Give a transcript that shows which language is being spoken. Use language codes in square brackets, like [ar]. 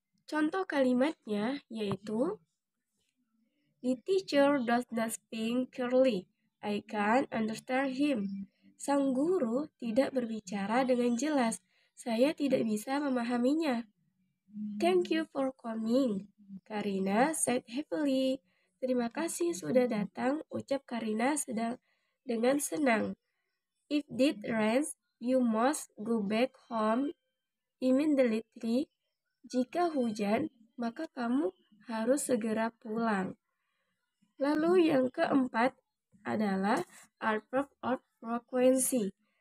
[id] Contoh kalimatnya yaitu, [en] the teacher does not speak clearly. I can't understand him. [id] Sang guru tidak berbicara dengan jelas. Saya tidak bisa memahaminya. [en] Thank you for coming, Karina said happily. [id] Terima kasih sudah datang, ucap Karina dengan senang. [en] If it rains, you must go back home immediately. [id] Jika hujan, maka kamu harus segera pulang. Lalu yang keempat adalah adverb of frequency.